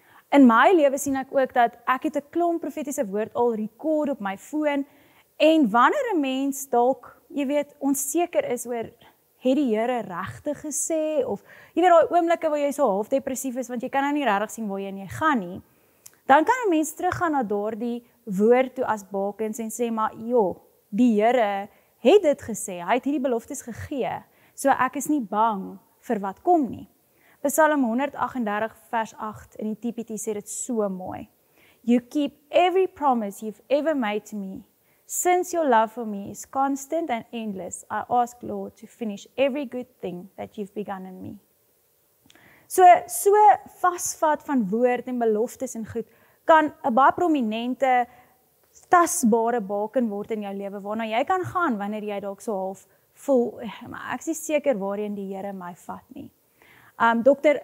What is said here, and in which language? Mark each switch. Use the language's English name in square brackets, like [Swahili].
[Afrikaans] In my lewe sien ek ook dat ek het 'n klomp profetiese woord al rekord op my foon en wanneer 'n mens dalk, jy weet, onseker is oor het die Here regtig gesê of jy weet daai oomblikke waar jy so half depressief is want jy kan nou nie regtig sien waar jy nie gaan nie. Dan kan 'n mens teruggaan na daardie woord toe as bakens en sê, maar joh, die Here het dit gesê, hy het hierdie beloftes gegee, so ek is nie bang vir wat kom nie. Psalm 138 vers 8 in die TPT sê dit so mooi. [English] You keep every promise you've ever made to me. Since your love for me is constant and endless, I ask Lord to finish every good thing that you've begun in me. [Afrikaans] So vasvat van woord en beloftes en goed, kan 'n baie prominente, tasbare baken word in jou lewe, waarna jy kan gaan wanneer jy dalk so half voel, maar ek is nie seker waarheen die Here my vat nie. Dr.